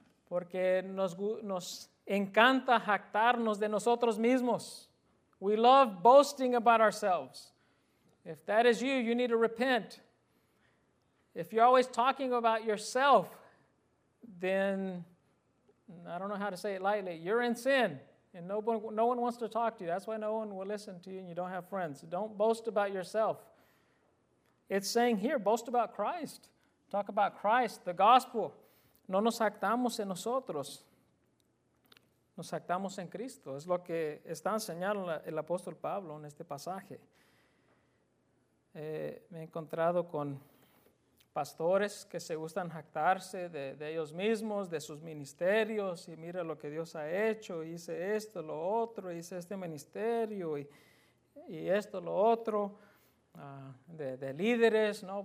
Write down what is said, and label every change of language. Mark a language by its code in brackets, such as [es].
[es] Porque nos encanta jactarnos de nosotros mismos. [en] We love boasting about ourselves. If that is you, you need to repent. If you're always talking about yourself, then I don't know how to say it lightly. You're in sin. And no one wants to talk to you. That's why no one will listen to you and you don't have friends. Don't boast about yourself. It's saying here, boast about Christ. Talk about Christ, the gospel. [es] No nos jactamos en nosotros. Nos jactamos en Cristo. Es lo que está enseñando el apóstol Pablo en este pasaje. Me he encontrado con pastores que se gustan jactarse de ellos mismos, de sus ministerios, y mira lo que Dios ha hecho, hice esto, lo otro, hice este ministerio, y esto, lo otro, de líderes, ¿no?